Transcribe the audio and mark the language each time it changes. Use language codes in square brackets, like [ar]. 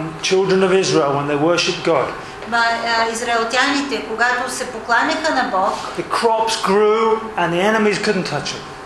[en] Children of Israel when they worshiped God. [bg] Израелтяните, когато се покланяха на Бог. [en] The crops grew and the enemies couldn't touch them.